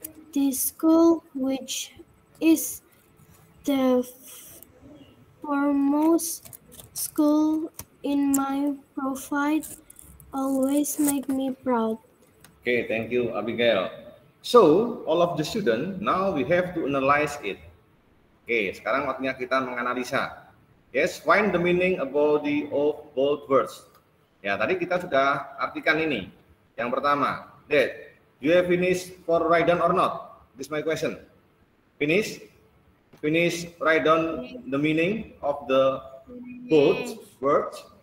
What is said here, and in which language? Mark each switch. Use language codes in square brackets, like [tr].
[en] This school, which is the foremost school in my profile, always make me proud. Okay, thank you, Abigail. So, all of the student, now we have to analyze it. [id] Okay, sekarang waktunya kita menganalisa. [en] Yes, find the meaning about the of both words. [id] Ya, tadi kita sudah artikan ini. Yang pertama, [en] Dad, you have finished for write down or not? This is my question. Finish, write down the meaning of the both words.